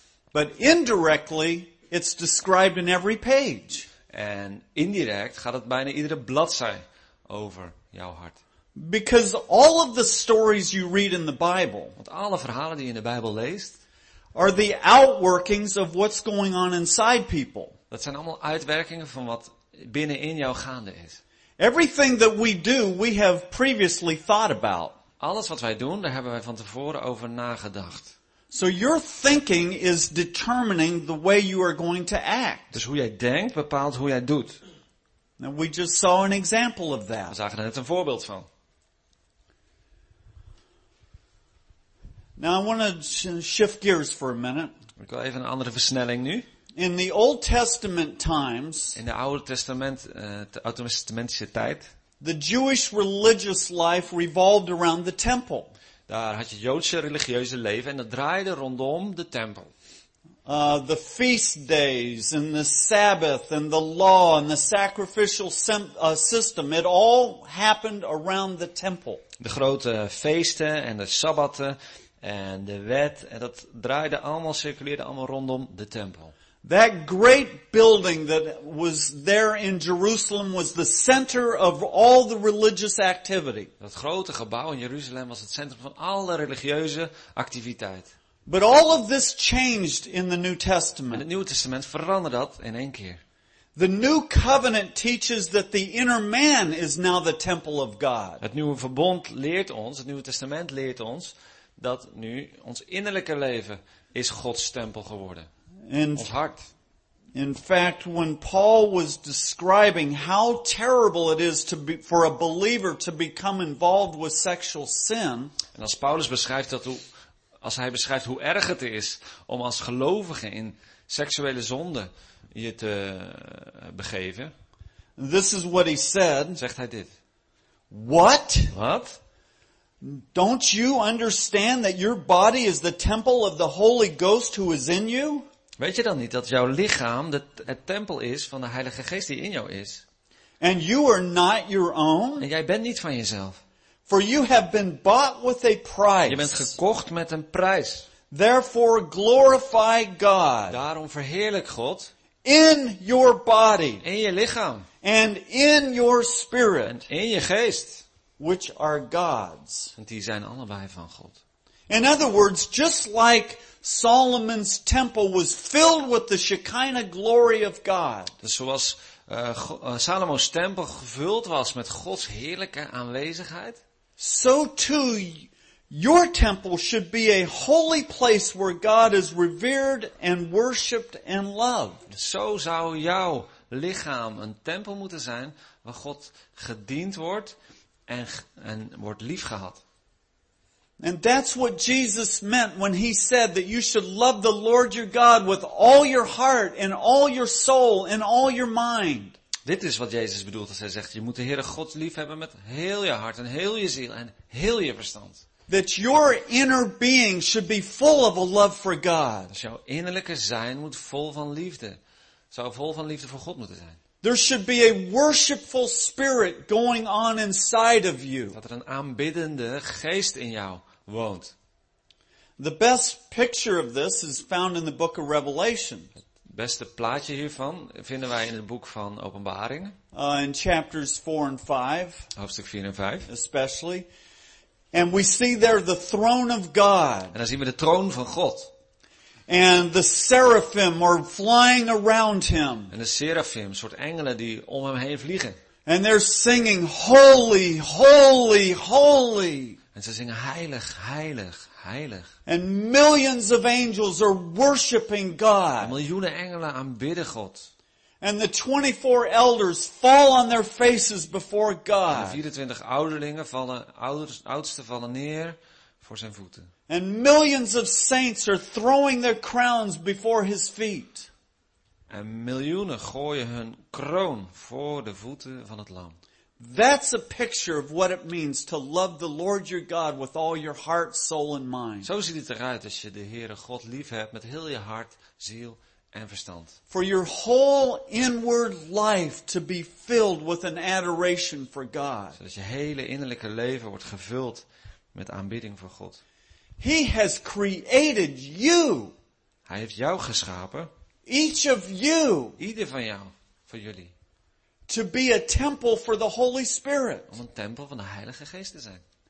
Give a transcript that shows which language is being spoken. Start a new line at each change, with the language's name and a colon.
English: But indirectly, it's described in every page.
Dutch: En indirect gaat het bijna iedere bladzij over jouw hart.
English: Because all of the stories you read in the Bible,
Dutch: want alle verhalen die je in de Bijbel leest,
English: are the outworkings of what's going on inside people.
Dutch: Dat zijn allemaal uitwerkingen van wat binnenin jou gaande is.
English: Everything that we do, we have previously thought about.
Dutch: Alles wat wij doen, daar hebben wij van tevoren over nagedacht.
English: So your thinking is determining the way you are going to act.
Dutch: Dus hoe jij denkt bepaalt hoe jij doet.
English: Now we just saw an example of that.
Dutch: We zagen er net een voorbeeld van.
English: Now I want to shift gears for a minute.
Dutch: Ik wil even een andere versnelling nu.
English: In the Old Testament times.
Dutch: In de Oude Testament, de Oud-Testamentische tijd.
English: The Jewish religious life revolved around the temple.
Dutch: Daar had je Joodse religieuze leven en dat draaide rondom de tempel.
English: The feast days and the Sabbath and the law and the sacrificial system, it all happened around the temple.
Dutch: De grote feesten en de sabbatten en de wet, en dat draaide allemaal, circuleerde allemaal rondom de tempel.
English: That great building that was there in Jerusalem was the center of all the religious activity.
Dutch: Dat grote gebouw in Jeruzalem was het centrum van alle religieuze activiteit.
English: But all of this changed in the New Testament.
Dutch: En het Nieuwe Testament veranderde dat in één keer.
English: The New Covenant teaches that the inner man is now the temple of God.
Dutch: Het Nieuwe Verbond leert ons, het Nieuwe Testament leert ons, dat nu ons innerlijke leven is Gods tempel geworden. Ons hart.
English: In fact, when Paul was describing how terrible it is for a believer to become involved with sexual sin.
Dutch: En als Paulus beschrijft dat hoe, als hij beschrijft hoe erg het is om als gelovige in seksuele zonde je te begeven.
English: This is what he said.
Dutch: Zegt hij dit.
English: What?
Dutch: Wat?
English: Don't you understand that your body is the temple of the Holy Ghost who is in you?
Dutch: Weet je dan niet dat jouw lichaam het tempel is van de Heilige Geest die in jou is?
English: And you are not your own?
Dutch: En jij bent niet van jezelf.
English: For you have been bought with a price.
Dutch: Je bent gekocht met een prijs.
English: Therefore glorify God.
Dutch: Daarom verheerlijk God.
English: In your body.
Dutch: In je lichaam.
English: And in your spirit.
Dutch: En in je geest.
English: Which are God's.
Dutch: Want die zijn allebei van God.
English: In other words, just like Solomon's temple was filled with the Shekinah glory of God.
Dutch: Dus zoals Salomo's tempel gevuld was met Gods heerlijke aanwezigheid.
English: So too your temple should be a holy place where God is revered and worshipped and loved.
Dutch: Zo zou jouw lichaam een tempel moeten zijn waar God gediend wordt en wordt liefgehad.
English: And that's what Jesus meant when he said that you should love the Lord your God with all your heart and all your soul and all your mind.
Dutch: Dit is wat Jezus bedoelt als hij zegt, je moet de Heere God lief hebben met heel je hart en heel je ziel en heel je verstand.
English: That your inner being should be full of a love for God.
Dutch: Dus jouw innerlijke zijn moet vol van liefde. Zou vol van liefde voor God moeten zijn.
English: There should be a worshipful spirit going on inside of you.
Dutch: Dat er een aanbiddende geest in jou woont.
English: The best picture of this is found in the book of Revelation.
Dutch: Het beste plaatje hiervan vinden wij in het boek van Openbaring.
English: In chapters 4 and 5.
Dutch: Hoofdstuk 4 en 5.
English: Especially. And we see there the throne of God.
Dutch: En dan zien we de troon van God.
English: And the seraphim are flying around him.
Dutch: En de seraphim, soort engelen die om hem heen vliegen.
English: And they're singing holy, holy, holy.
Dutch: En ze zingen heilig, heilig, heilig.
English: And millions of angels are worshiping God.
Dutch: En miljoenen engelen aanbidden God.
English: And the 24 elders fall on their faces before God.
Dutch: En de 24 ouderlingen vallen, oudsten vallen neer voor zijn voeten.
English: And millions of saints are throwing their crowns before his feet.
Dutch: En miljoenen gooien hun kroon voor de voeten van het Lam.
English: That's a picture of what it means to love the Lord your God with all your heart, soul and mind.
Dutch: Zo ziet het eruit als je de Heere God lief hebt met heel je hart, ziel en verstand.
English: For your whole inward life to be filled with an adoration for God.
Dutch: Zodat je hele innerlijke leven wordt gevuld met aanbidding voor God.
English: He has created you.
Dutch: Hij heeft jou geschapen.
English: Each of you.
Dutch: Ieder van jou, voor jullie.
English: To be a temple for the Holy Spirit.
Dutch: Om een tempel van de Heilige Geest te zijn.